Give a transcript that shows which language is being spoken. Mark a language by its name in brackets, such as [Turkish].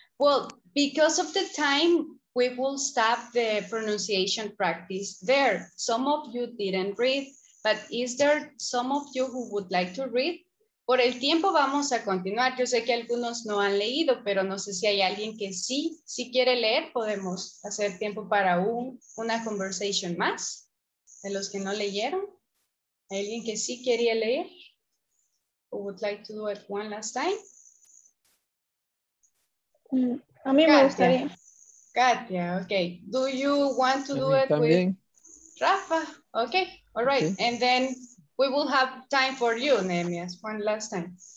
[English] Well, because of the time, we will stop the pronunciation practice there. Some of you didn't read. But is there some of you who would like to read? [Spanish] Por el tiempo vamos a continuar. Yo sé que algunos no han leído, pero no sé si hay alguien que sí quiere leer. Podemos hacer tiempo para una conversation más de los que no leyeron. ¿Hay alguien que sí quería leer? [English] Who would like to do it one last time? [Spanish] A mí me gustaría. [English] Katia, okay. Do you want to do it también with Rafa? Okay. All right, okay. And then we will have time for you, Nehemias, one last time.